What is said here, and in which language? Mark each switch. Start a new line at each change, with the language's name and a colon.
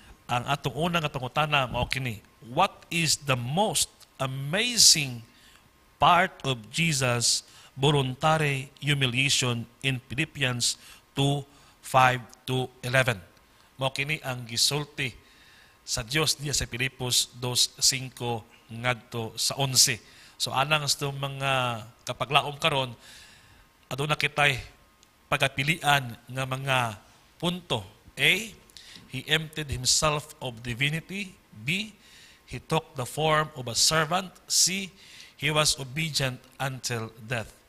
Cebuano: Ang atong una nga pangutana mao kini,
English: what is the most amazing part of Jesus voluntary humiliation in Philippians 2:5-11.
Cebuano: Mao kini ang gisulti sa Dios diya sa Filipos 2:5 ngadto sa 11. So anang sa mga kapaglaom karon aduna kitay pagapilian ng mga punto.
English: A, he emptied himself of divinity. B, he took the form of a servant. C, he was obedient until death.